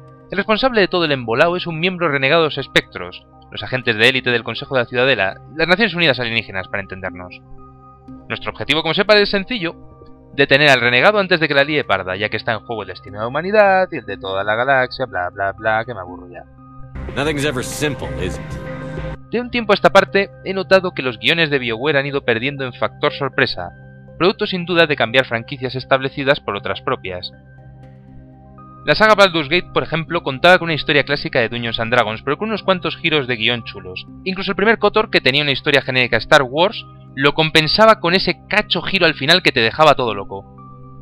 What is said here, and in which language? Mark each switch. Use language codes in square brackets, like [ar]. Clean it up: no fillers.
[es] El responsable de todo el embolao es un miembro renegado de los Espectros, los agentes de élite del Consejo de la Ciudadela, las Naciones Unidas Alienígenas, para entendernos. Nuestro objetivo, como sepa, es sencillo: detener al renegado antes de que la líe parda, ya que está en juego el destino de la humanidad y el de toda la galaxia, bla bla bla, que me aburro ya. [en] Nothing's ever simple, is it? [es] De un tiempo a esta parte, he notado que los guiones de BioWare han ido perdiendo en factor sorpresa, producto sin duda de cambiar franquicias establecidas por otras propias. La saga Baldur's Gate, por ejemplo, contaba con una historia clásica de Dungeons and Dragons, pero con unos cuantos giros de guión chulos. Incluso el primer KOTOR, que tenía una historia genérica Star Wars, lo compensaba con ese cacho giro al final que te dejaba todo loco.